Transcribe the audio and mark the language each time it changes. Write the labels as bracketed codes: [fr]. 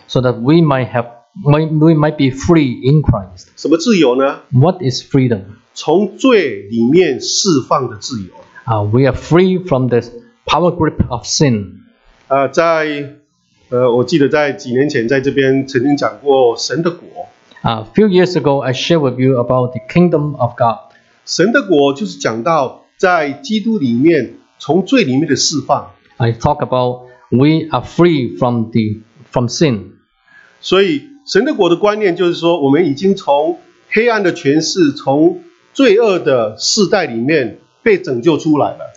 [en] So that we might be free in Christ. [zh] 什么自由呢？ [en] What is freedom? [zh] 从罪里面释放的自由。 [en] we are free from the power grip of sin. [zh] 我记得在几年前在这边曾经讲过神的果。 [en] A few years ago, I shared with you about the kingdom of God. [zh] 神的果就是讲到在基督里面从罪里面的释放。 [en] I talk about we are free from sin. [zh] 所以神的果的观念就是说我们已经从黑暗的权势从罪恶的世代里面被拯救出来了。